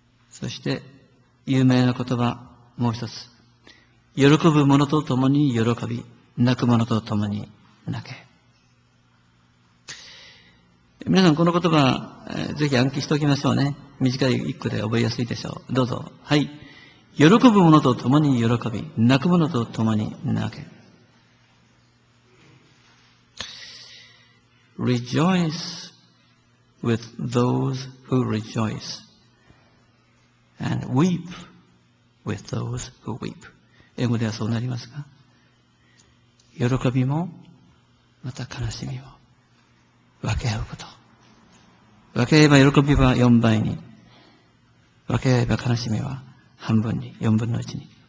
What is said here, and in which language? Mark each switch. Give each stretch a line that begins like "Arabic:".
Japanese: そして、有名な言葉、もう一つ。喜ぶ者と共に喜び、泣く者と共に泣け。皆さんこの言葉、ぜひ暗記しておきましょうね。短い一句で覚えやすいでしょう。どうぞ。はい。喜ぶ者と共に喜び、泣く者と共に泣け。
English: Rejoice with those who rejoice, and weep with those who weep.
Japanese: 英語ではそうなりますか？喜びも、また悲しみも、分け合うこと。分け合えば喜びは4倍に、分け合えば悲しみは半分に、4分の1に。